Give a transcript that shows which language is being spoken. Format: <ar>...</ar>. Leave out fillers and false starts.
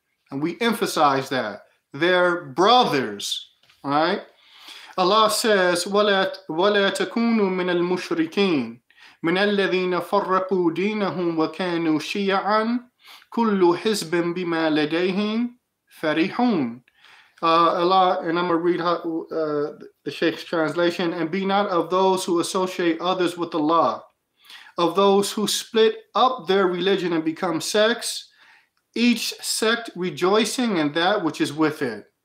<en>And we emphasize that, their brothers, right? Allah says,</en> <ar>وَلَا تَكُونُوا مِنَ الْمُشْرِكِينَ مِنَ الَّذِينَ فَرَّقُوا دِينَهُمْ وَكَانُوا شِيَعًا كُلُّ حِزْبٍ بِمَا لَدَيْهِمْ فَرِحُونَ.</ar> <en>Allah, and I'm going to read the Sheikh's translation, and be not of those who associate others with Allah, of those who split up their religion and become sects, each sect rejoicing in that which is with it.</en>